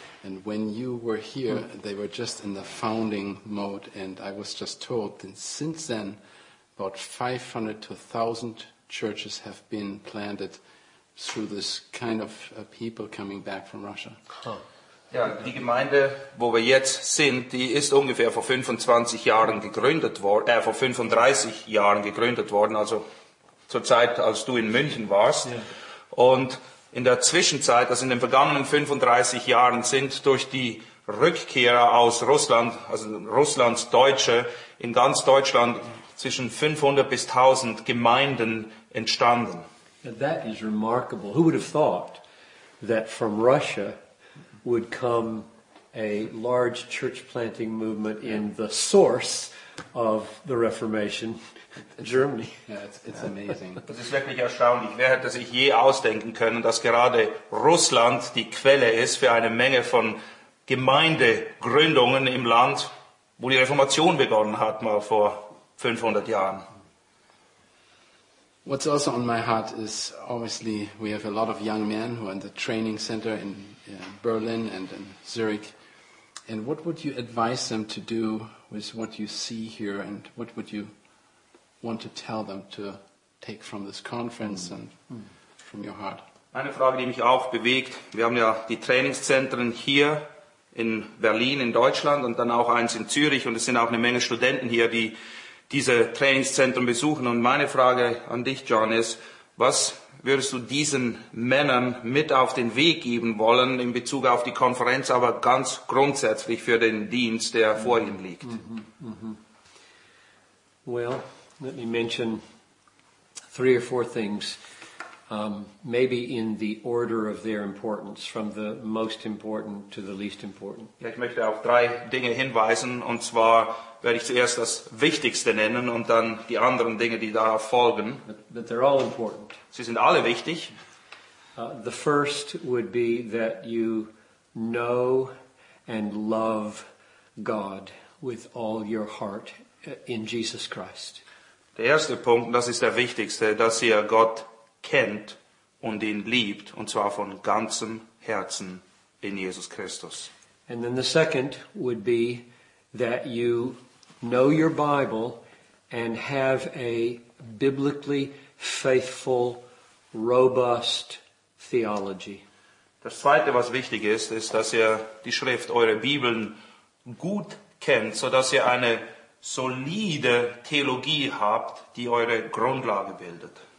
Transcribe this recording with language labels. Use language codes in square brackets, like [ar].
[en] And when you were here, they were just in the founding mode. And I was just told that since then, about 500 to 1,000 churches have been planted through this kind of people coming back from Russia. Huh. [de] Ja, die Gemeinde, wo wir jetzt sind, die ist ungefähr vor 25 Jahren gegründet worden, vor 35 Jahren gegründet worden, also zur Zeit, als du in München warst. [en] Yeah. [de] Und in der Zwischenzeit, also in den vergangenen 35 Jahren, sind durch die Rückkehrer aus Russland, also Russlands Deutsche, in ganz Deutschland zwischen 500 bis 1,000 Gemeinden entstanden. [en] That is remarkable. Who would have thought that from Russia would come a large church planting movement in the source of the Reformation, Germany? Yeah, it's amazing. [de] Das ist wirklich erstaunlich. Wer hätte sich je ausdenken können, dass gerade Russland die Quelle ist für eine Menge von Gemeindegründungen im Land, wo die Reformation begonnen hat, mal vor 500 Jahren? [en] What's also on my heart is obviously we have a lot of young men who are in the training center in Berlin and in Zurich. And what would you advise them to do with what you see here, and what would you want to tell them to take from this conference and from your heart? [de] Eine Frage, die mich auch bewegt. Wir haben ja die Trainingszentren hier in Berlin in Deutschland und dann auch eins in Zürich, und es sind auch eine Menge Studenten hier, die diese Trainingszentren besuchen. Und meine Frage an dich, John, ist, was würdest du diesen Männern mit auf den Weg geben wollen in Bezug auf die Konferenz, aber ganz grundsätzlich für den Dienst, der vor ihnen liegt? [en] Well, let me mention three or four things. Maybe in the order of their importance, from the most important to the least important. [de] Ja, ich möchte auf drei Dinge hinweisen, und zwar werde ich zuerst das Wichtigste nennen und dann die anderen Dinge, die darauf folgen. [en] But they're all important. [de] Sie sind alle wichtig. [en] The first would be that you know and love God with all your heart in Jesus Christ. [de] Der erste Punkt, das ist der wichtigste, dass ihr Gott kennt und ihn liebt, und zwar von ganzem Herzen in Jesus Christus. [en] And then the second would be that you know your Bible and have a biblically faithful, robust theology. [de] Das zweite, was wichtig ist, ist, dass ihr die Schrift, eure Bibeln gut kennt, so dass ihr eine solide Theologie habt, die eure Grundlage bildet.